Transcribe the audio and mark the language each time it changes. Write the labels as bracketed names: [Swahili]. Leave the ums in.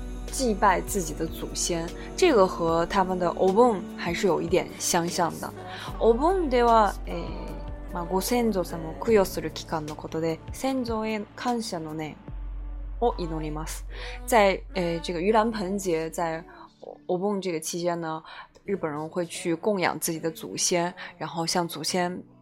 [Chinese] 祭拜自己的祖先，这个和他们的 Obon 还是有一点相像的。 [Japanese] Obon では、えー、馬国先祖様を供養する期間のことで、先祖へ感謝の念を祈ります。 [Chinese] 在呃这个盂兰盆节，在 Obon 这个期间呢，日本人会去供养自己的祖先，然后向祖先。